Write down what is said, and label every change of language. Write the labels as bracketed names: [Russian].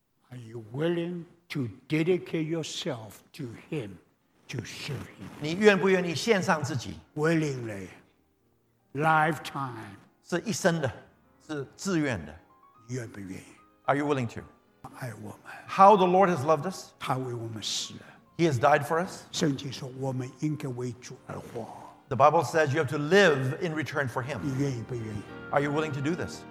[English] Are you willing to dedicate yourself to Him, to serve Him? [Chinese] 你愿不愿意献上自己 [English] ？Willingly, lifetime [Chinese] 是一生的，是自愿的。愿不愿意 [English] ？Are you willing to? [Chinese] 爱我们。 [English] How the Lord has loved us? [Chinese] 他为我们死了。 [English] He has died for us. [Chinese] 圣经说我们应该为主而活。 [English] The Bible says you have to live in return for Him. [Chinese] 你愿意不愿意？ [English] Are you willing to do this?